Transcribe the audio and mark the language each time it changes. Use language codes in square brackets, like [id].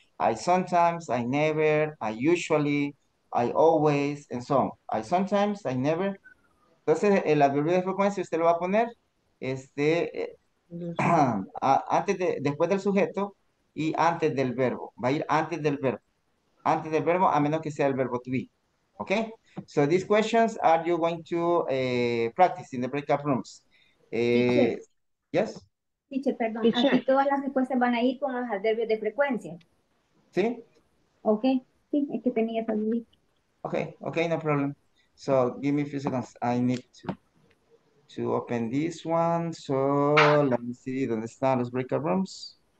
[en] I sometimes, I never, I usually, I always, and so on. I sometimes, I never. [es] Entonces, el adverbio de frecuencia usted lo va a poner antes de, después del sujeto y antes del verbo. Va a ir antes del verbo. Antes del verbo, a menos que sea el verbo to be. Okay? [en] So these questions are you going to practice in the breakout rooms? Teacher. Yes? Teacher, perdón. [es] Teacher. Aquí todas las respuestas van a ir con los adverbios de frecuencia. ¿Sí? Okay. Sí, es que tenía esa duda. [en] Okay, no problem. So give me a few seconds. I need to open this one. So let me see, [es] ¿dónde están los [en] breakout rooms?